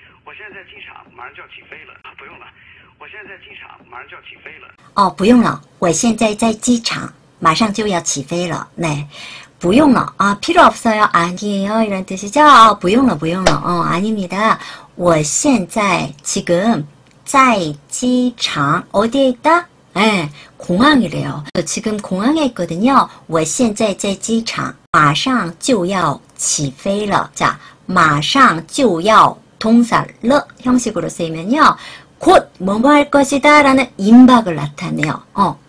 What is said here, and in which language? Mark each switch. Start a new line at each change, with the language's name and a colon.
Chinese: 我现在机场马上就要起飞了。不用了，我现在在机场马上就要起飞了。
Korean: 네,
Chinese: 不用了啊，
Korean: 필요 없어요, 아니에요 이런 뜻이죠.
Chinese: 不用了，不用了，
Korean: 아닙니다.
Chinese: 我现在
Korean: 지금
Chinese: 在机场
Korean: 어디에 있다? 네, 공항이래요. 지금 공항에 있거든요.
Chinese: 我现在在机场马上就要起飞了.
Korean: 자,
Chinese: 马上就要
Korean: 동사了 형식으로 쓰이면요, 곧 뭐뭐 할 것이다 라는 임박을 나타내요.